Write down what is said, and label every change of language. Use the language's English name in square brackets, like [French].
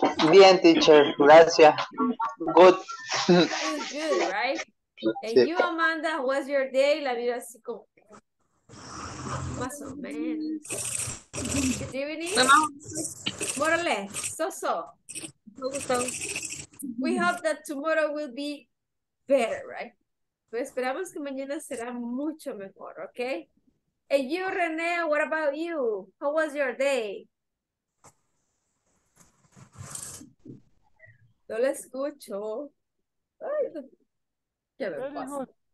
[Spanish] Bien, teacher, gracias. Good. [English] It was good, right? And you, Amanda, how was your day? [Spanish] La vida así como que más o menos. [English] Good evening. More or less. So. We hope that tomorrow will be better, right? [Spanish] Pero esperamos que mañana será mucho mejor, okay? [English] And you, René, what about you? How was your day? [Spanish] No lo escucho. Ay, no. ¿Qué me pasa?